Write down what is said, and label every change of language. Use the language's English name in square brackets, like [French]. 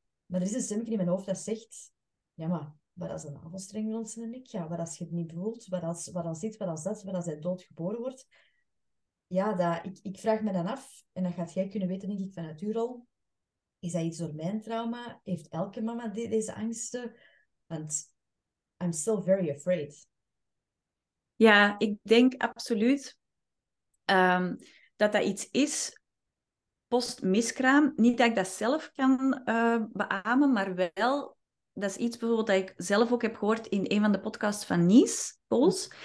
[Dutch] Maar er is een stemmetje in mijn hoofd dat zegt, ja, maar wat als een navelstreng rond zijn nek? Ja, wat als je het niet voelt? Wat als dit, wat als dat? Wat als hij dood geboren wordt? Ja, ik vraag me dan af, en dat gaat jij kunnen weten, denk ik, van natuur al, is dat iets door mijn trauma? Heeft elke mama deze angsten? [English] Want I'm still very afraid. [Dutch] Ja, ik denk absoluut dat dat iets is post-miskraam. Niet dat ik dat zelf kan beamen, maar wel, dat is iets bijvoorbeeld dat ik zelf ook heb gehoord in een van de podcasts van Nies, Pols.